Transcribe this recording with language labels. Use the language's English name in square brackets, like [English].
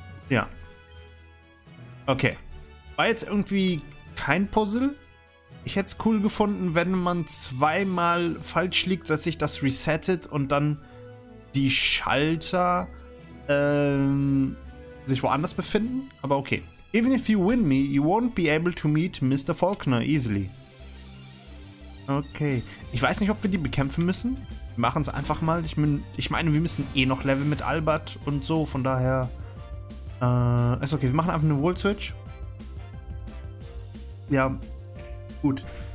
[German] Ja. Okay. War jetzt irgendwie kein Puzzle. Ich hätte es cool gefunden, wenn man zweimal falsch liegt, dass sich das resettet und dann die Schalter sich woanders befinden. Aber okay. [English] Even if you win me, you won't be able to meet Mr. Faulkner easily. Okay. [German] Ich weiß nicht, ob wir die bekämpfen müssen. Wir machen es einfach mal. Ich meine, wir müssen eh noch leveln mit Albert und so. Von daher... ist okay, wir machen einfach eine Volt Switch. Ja, gut.